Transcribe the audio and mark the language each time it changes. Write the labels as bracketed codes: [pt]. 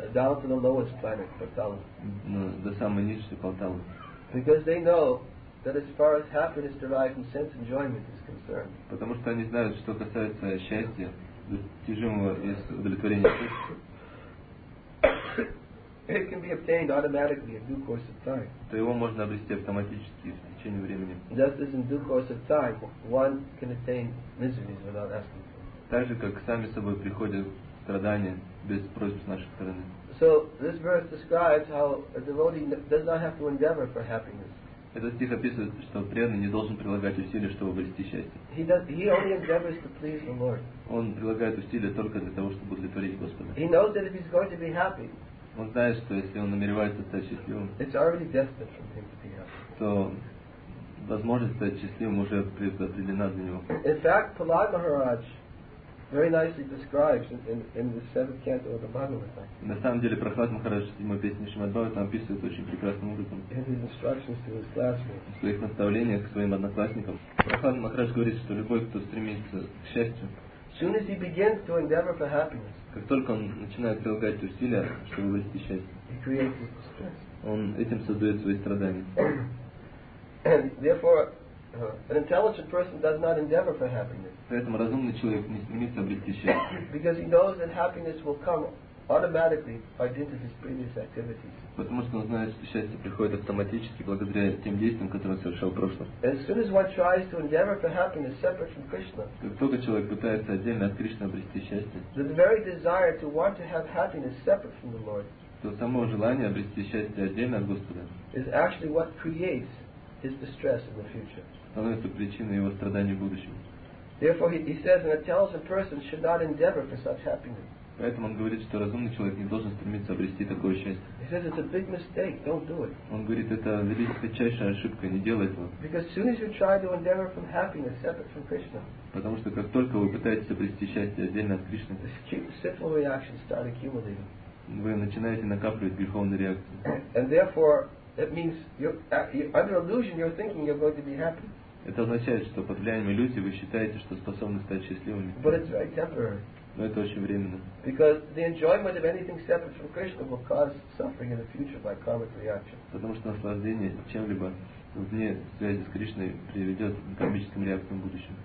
[en] Down to the lowest planet, Патала. [ru] До самой низшей Патала. [en] Because they know that as far as happiness derived from sense enjoyment is concerned. [ru] Потому что они знают, что касается счастья, достижимого из удовлетворения чувств. [en] It can be obtained automatically in due course of time. [ru] То его можно обрести автоматически в течение времени. [en] Just as in due course of time, one can attain miseries without asking. [ru] Так же, как сами собой приходят страдания без просьб с нашей стороны. [en] So this verse describes how a devotee does not have to endeavor for happiness. [ru] Этот стих описывает, что преданный не должен прилагать усилия, чтобы обрести счастье. [en] He only endeavors to please the Lord. [ru] Он прилагает усилия только для того, чтобы удовлетворить Господа. [en] He knows that if he's going to be happy. [ru] Он знает, что если он намеревается стать счастливым, [en] it's already destined for him to be happy. [ru] То возможность стать счастливым уже предопределена для него. [en] In fact, Prahlad Maharaj very nicely describes in the seventh canto of the Bhagavatam. [ru] На самом деле, Прохлад Махарадж в песне Шримад Бхагаватам описывает очень прекрасным образом. [en] In his instructions to his classmates. [ru] В своих наставлениях к своим одноклассникам. Прохлад Махарадж говорит, что любой, кто стремится к счастью, [en] soon as he begins to endeavor for happiness, [ru] как только он начинает прилагать усилия, чтобы вывести счастье, [en] he creates his distress. [ru] Он этим создает свои страдания. [en] And therefore, an intelligent person does not endeavor for happiness. [ru] Поэтому разумный человек не стремится обрести счастье. [en] Because he knows that happiness will come automatically by dint of his previous activities. [ru] Потому что он знает, что счастье приходит автоматически благодаря тем действиям, которые он совершал в прошлом. [en] As soon as one tries to endeavor for happiness separate from Krishna, [ru] как только человек пытается отдельно от Кришны обрести счастье, [en] the very desire to want to have happiness separate from the Lord, [ru] то само желание обрести счастье отдельно от Господа, [en] is actually what creates his distress in the future. [ru] Становится причиной его страданий в будущем. [en] Therefore, he says an intelligent person should not endeavor for such happiness. [ru] Поэтому он говорит, что разумный человек не должен стремиться обрести такое счастье. [en] He says it's a big mistake. Don't do it. [ru] Он говорит, это величайшая ошибка, не делай этого. [en] Because as soon as you try to endeavor for happiness separate from Krishna, [ru] потому что как только вы пытаетесь обрести счастье отдельно от Кришны, [en] the sinful reactions start accumulating. [ru] Вы начинаете накапливать греховные реакции. [en] And therefore, it means you're under illusion. You're thinking you're going to be happy. [ru] Это означает, что под влиянием иллюзии вы считаете, что способны стать счастливыми. [en] But it's very temporary. [ru] Но это очень временно. [en] Because the enjoyment of anything separate from Krishna will cause suffering in the future by karmic reaction. [ru] Потому что наслаждение чем-либо вне связи с Кришной приведет к кармическим реакциям в будущем.